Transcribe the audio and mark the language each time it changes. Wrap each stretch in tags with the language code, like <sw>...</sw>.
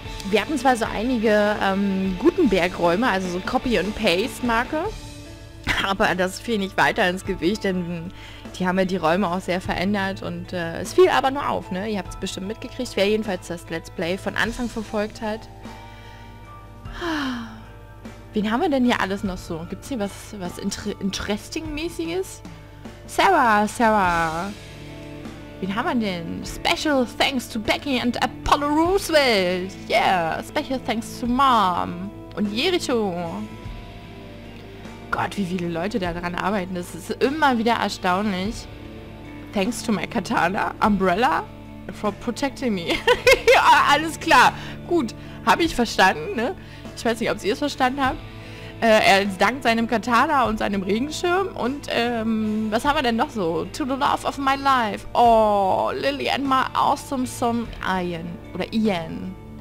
<de>Wir hatten zwar so einige Gutenberg-Räume, also so Copy-and-Paste-Marke, aber das fiel nicht weiter ins Gewicht, denn die haben ja die Räume auch sehr verändert und es fiel aber nur auf, ne? Ihr habt es bestimmt mitgekriegt, wer jedenfalls das Let's Play von Anfang verfolgt hat. Wen haben wir denn hier alles noch so? Gibt es hier was Interesting-mäßiges? Sarah! Wen haben wir denn?</de> <en>Special thanks to Becky and Apollo Roosevelt. Yeah, special thanks to Mom.</en> <de>Und Jericho. Gott, wie viele Leute da dran arbeiten. Das ist immer wieder erstaunlich.</de> <en>Thanks to my katana, Umbrella, for protecting me.</en> <de>Ja, alles klar. Gut, habe ich verstanden, ne? Ich weiß nicht, ob ihr es verstanden habt. Er dankt seinem Katana und seinem Regenschirm und was haben wir denn noch so?</de> <en>To the love of my life. Oh, Lily and my awesome son Ian.</en> <de>Oder Ian.</de>